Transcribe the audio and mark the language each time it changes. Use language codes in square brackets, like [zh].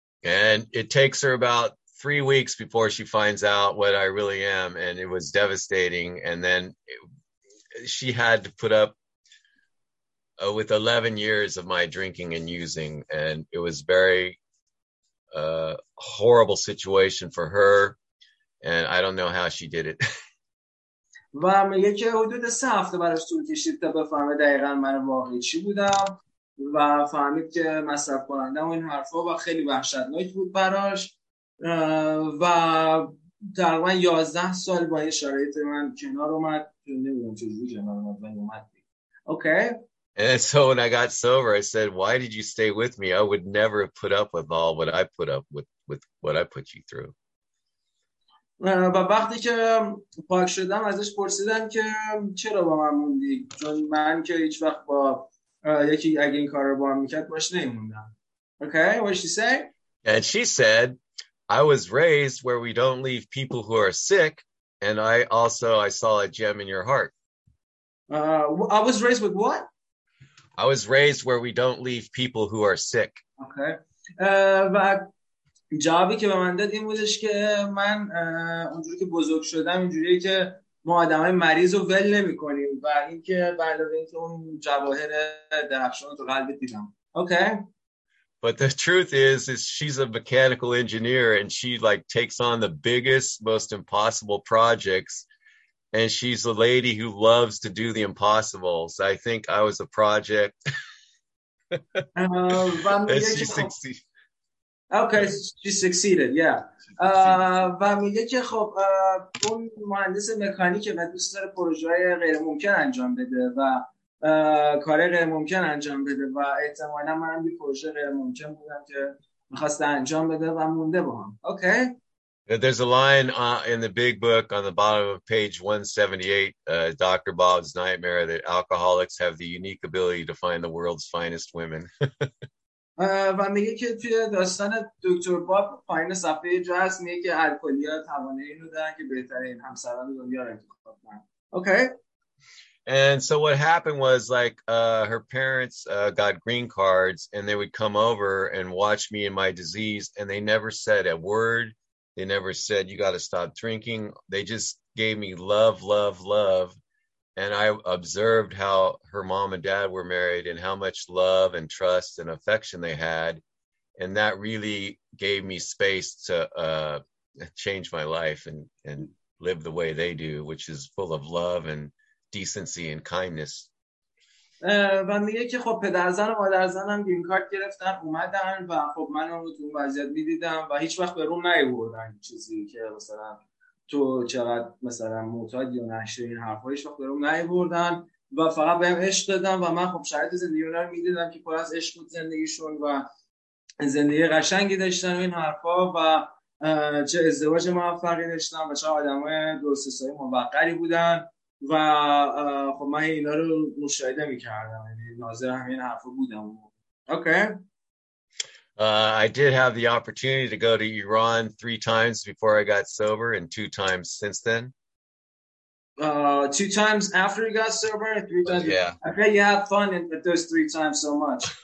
[en] And it takes her about 3 weeks before she finds out what I really am, and it was devastating. And then she had to put up with 11 years of my drinking and using, and it was very horrible situation for her, and I don't know how she did it. [fa] و میگه که حدود 3 هفته براش طول کشید تا بفهمه دقیقاً من واقعی چی بودم و فهمید که مصرف کننده و این حرفا و خیلی وحشتناک بود براش و در واقع 11 سال با این شرایط من کنار اومد. نمیدونم چجوری کنار اومد ولی اومد. [en] Okay. And so when I got sober, I said, why did you stay with me? I would never have put up with all what I put up with what I put you through. [fa] و وقتی که پاک شدم ازش پرسیدم که چرا با من موندی؟ چون من که هیچ وقت با یکی اگه این کار رو با هم میکرد باش نیموندم. [en] Okay, what did she say? And she said, I was raised where we don't leave people who are sick, and I saw a gem in your heart. I was raised with what? I was raised where we don't leave people who are sick. Okay. [fa] و جوابی که به من داد این بودش که من اونجوری که بزرگ شدم اینجوریه که ما آدمای مریض رو ول نمی‌کنیم و اینکه بعد از اینکه اون جواهر درخشان تو قلبت دیدم. [en] Okay. But the truth is she's a mechanical engineer and she like takes on the biggest, most impossible projects. And she's a lady who loves to do the impossible. So I think I was a project. And she succeeded. Okay, she succeeded, yeah. [fa] و میگه که خب اون مهندس مکانیکه و دوست داره پروژه‌های غیر ممکن انجام بده و کار غیر ممکن انجام بده و احتمالا من هم یه پروژه غیر ممکن بودم که میخواسته انجام بده و مونده با هم. [en] Okay. There's a line in the big book on the bottom of page 178, Dr. Bob's Nightmare, that alcoholics have the unique ability to find the world's finest women. [fa] و میگه که توی داستان دکتر باب پایین صفحه جاست میگه که الکلیا توانایی رو دارن که بهترین همسران دنیا رو انتخاب کنن. [en] Okay. And so what happened was like her parents got green cards and they would come over and watch me and my disease and they never said a word. They never said you got to stop drinking. They just gave me love, love, love. And I observed how her mom and dad were married and how much love and trust and affection they had. And that really gave me space to change my life and live the way they do, which is full of love and decency and kindness. [fa] و میگه که خب پدرزن و مادرزن هم گرین کارت گرفتن اومدن و خب من رو تو اون وضعیت میدیدم و هیچ وقت به روم نیوردن چیزی که مثلا تو چقدر مثلا معتاد یا نشه این حرفا هیچ وقت به روم نیوردن و فقط بهم عشق دادن و من خب شرایط زندگی اونا رو میدیدم که پر از عشق بود زندگیشون و زندگی قشنگی داشتن و این حرفا و چه ازدواج موفقی داشتن و چه آدم های درست حسابی موقری بودن و خب من اینا رو مشاهده میکردم یعنی ناظر همین حرفا بودم. [en] Okay. I did have the opportunity to go to Iran 3 times before I got sober and 2 times since then. 2 times after you got sober and 3 times. Yeah. I bet you had fun in those 3 times so much.